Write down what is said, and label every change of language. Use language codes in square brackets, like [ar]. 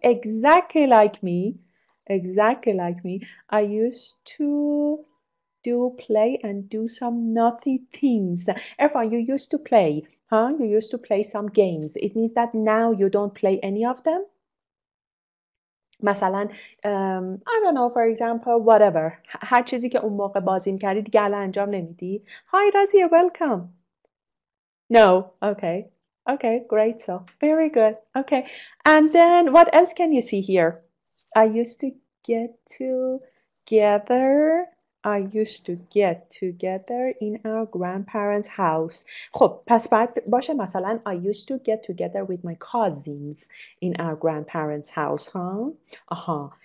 [en] Exactly like me. Exactly like me. I used to do play and do some naughty things. Erfan, you used to play. Huh? You used to play some games. It means that now you don't play any of them. [fa] مثلا [en] I don't know, for example, whatever. [fa] هر چیزی که اون موقع بازی می‌کردی دیگه الان انجام نمیدی. [en] Hi, Razia, welcome. No. Okay. Okay, great. So very good. Okay. And then what else can you see here? I used to get together. I used to get together in our grandparents' house. [fa] خب پس بعد باشه مثلا [en] I used to get together with my cousins in our grandparents' house, huh?